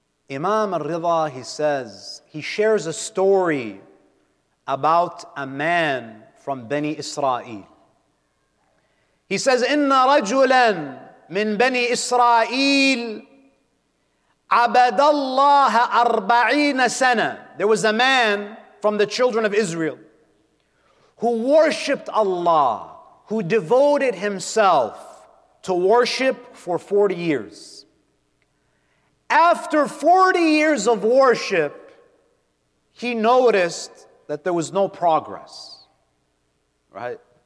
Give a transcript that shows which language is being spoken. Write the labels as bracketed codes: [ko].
[en] Imam al-Ridha, he says, he shares a story about a man from Bani Israel. He He says, [ar] إِنَّ رَجُلًا مِنْ بَنِي إِسْرَائِيلِ عَبَدَ اللَّهَ أَرْبَعِينَ سَنَةً. [en] There was a man from the children of Israel who worshipped Allah, who devoted himself to worship for 40 years. After 40 years of worship, he noticed that there was no progress. Right?